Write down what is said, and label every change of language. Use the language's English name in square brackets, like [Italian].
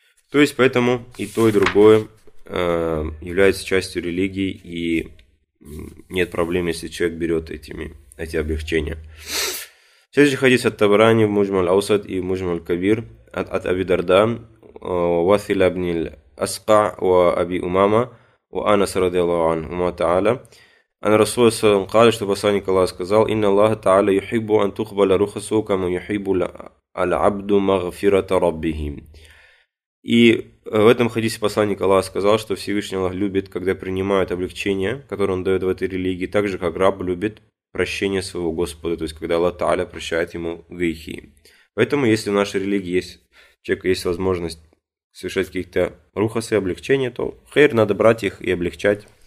[Russian] То есть, поэтому и то, и другое является частью религии, и нет проблем, если человек берет эти облегчения. Следующий хадис от Табарани, Муджму аль-Аусад и Муджму аль-Кабир, от Аби Дарда, Василя ибн аль-Аска, ва Аби Умама, ва Анас радиаллаху анху ва тааля. [Arabic] أن رسول الله صلى الله عليه وسلم قال [Russian] что посланник Аллаха сказал [Arabic] إن الله تعالى يحب أن تقبل رخصه كما يحب العبد مغفرة ربه. [Russian] И в этом хадисе посланник Аллаха сказал, что Всевышний Аллах любит, когда принимают облегчение, которое он дает в этой религии, так же, как раб любит прощение своего Господа, то есть когда Аллах Тааля прощает ему грехи. Поэтому, если в нашей религии есть возможность совершать какие-то рухасы, облегчения, то хейр, надо брать их и облегчать.